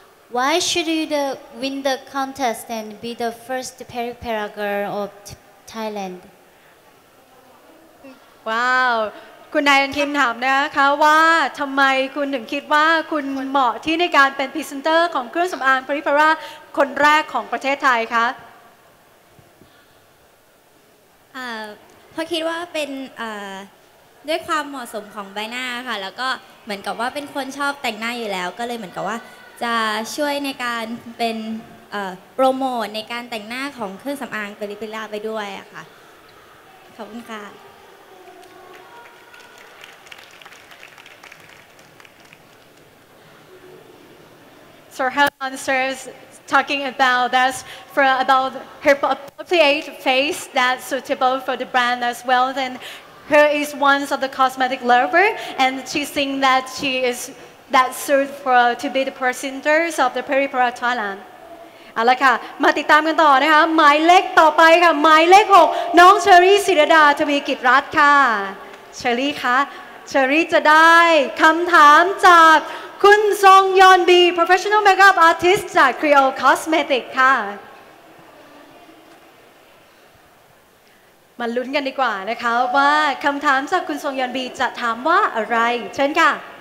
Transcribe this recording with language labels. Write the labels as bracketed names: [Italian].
[English] Why should you win the contest and be the first peri-pera girl of Thailand? [Thai] Wow, คุณนายอันคิมถามนะคะว่าทำไมคุณถึงคิดว่าคุณเหมาะที่ในการเป็นพรีเซนเตอร์ของเครื่องสำอางperi-peraคนแรกของประเทศไทยคะ เพราะคิดว่าเป็นด้วยความเหมาะสมของใบหน้าค่ะแล้วก็เหมือนกับว่าเป็นคนชอบแต่งหน้าอยู่แล้วก็เลยเหมือนกับว่าจะช่วยในการเป็นโปรโมทในการแต่งหน้าของเครื่องสำอางเปริลาไปด้วยอะค่ะขอบคุณค่ะ [English] So her answer is talking about that's for about her appropriate face that's suitable for the brand as well then her is one of the cosmetic lover and she think that she isThat suit for to be the presenters of the peri-pera Thailand. [Thai] เอาละค่ะมาติดตามกันต่อนะคะหมายเลขต่อไปค่ะหมายเลข6น้องเชอรี่ศิรดาทวีกิจรัตน์ค่ะเชอรี่คะเชอรี่จะได้คำถามจาก คุณซงยอนบี [English] professional makeup artist [Thai] จาก Creo Cosmetic ค่ะมาลุ้นกันดีกว่านะคะว่าคำถามจากคุณซงยอนบีจะถามว่าอะไรเชิญค่ะ